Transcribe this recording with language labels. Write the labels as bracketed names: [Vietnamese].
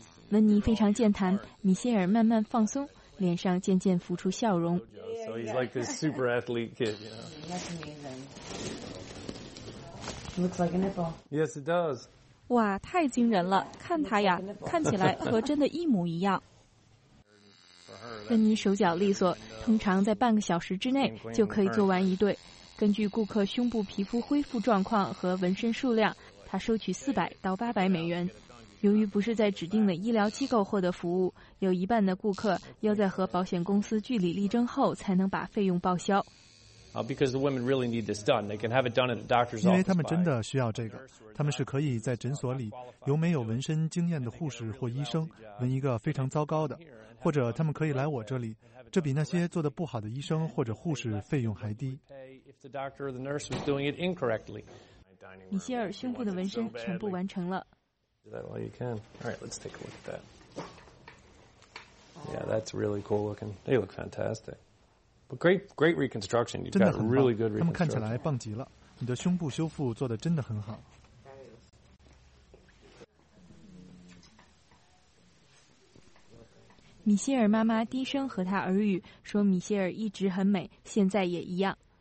[Chinese] 温妮非常健谈，米歇尔慢慢放松，脸上渐渐浮出笑容。 [English] So he's like this super athlete kid, you know. Looks like a nipple. Yes, it does. [Chinese] 哇，太惊人了！看他呀，看起来和真的一模一样。温妮手脚利索，通常在半个小时之内就可以做完一对。根据顾客胸部皮肤恢复状况和纹身数量，他收取400到800美元。由于不是在指定的医疗机构获得服务，有一半的顾客要在和保险公司据理力争后才能把费用报销。 [English] Because the women really need this done, they can have it done at a doctor's office. [Chinese] 因为他们真的需要这个，他们是可以在诊所里由没有纹身经验的护士或医生纹一个非常糟糕的，或者他们可以来我这里，这比那些做得不好的医生或者护士费用还低。 [English] If the doctor or the nurse was doing it incorrectly, [Chinese] 米歇尔胸部的纹身全部完成了。 [English] Is that all you can? All right, let's take a look at that. Yeah, that's really cool looking. They look fantastic. But great reconstruction. You've got really good reconstruction. [Chinese] 他们看起来棒极了。你的胸部修复做得真的很好。米歇尔妈妈低声和她耳语说，米歇尔一直很美，现在也一样。